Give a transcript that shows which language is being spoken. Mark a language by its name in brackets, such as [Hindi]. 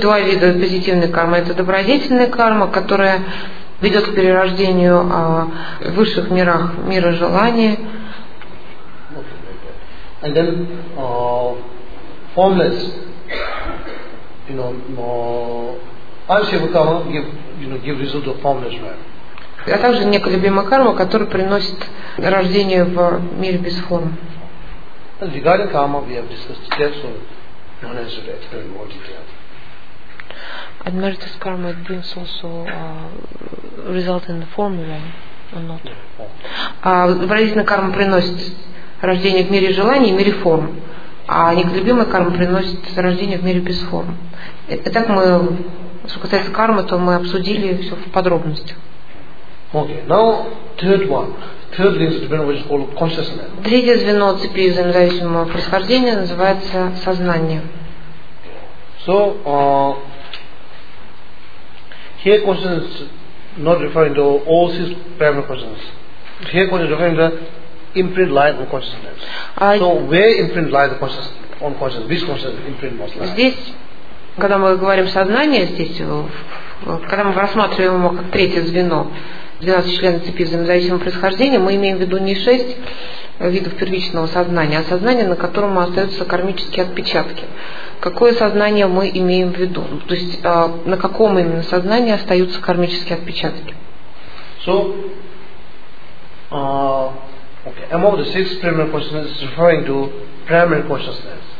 [Russian] два вида позитивной кармы. Это добродетельная карма, которая ведет к перерождению в высших мирах мира желания. [English] And then formless, you know, unshakable karma give result of formless, right? [Russian] А также неколебимая карма, которая приносит рождение в мире без форм. [English] That's it. And regarding karma, we have discussed it here, so no necessary to explain more detail. And meritous karma brings also result in the form of them, or not? [Russian] Вредительная карма приносит рождение в мире желаний и мире форм. А неголюбимая карма приносит рождение в мире без форм. Итак, мы, что касается кармы, то мы обсудили все в подробностях. [English] Okay, now third one. Third link depends on all consciousness. [Russian] Третье звено цепи взаимозависимого происхождения называется сознание. [English] So here consciousness is not referring to all six primary consciousness. Here consciousness referring to imprint light on consciousness. So where imprint light on consciousness? Which consciousness imprint most light? [Russian] Здесь, когда мы говорим сознание, здесь, когда мы рассматриваем его как третье звено. 12 членов цепи взаимозависимого происхождения, мы имеем в виду не 6 видов первичного сознания, а сознание, на котором остаются кармические отпечатки. Какое сознание мы имеем в виду? То есть на каком именно сознании остаются кармические отпечатки? [English] So, okay. Among the six primary consciousness is referring to primary consciousness.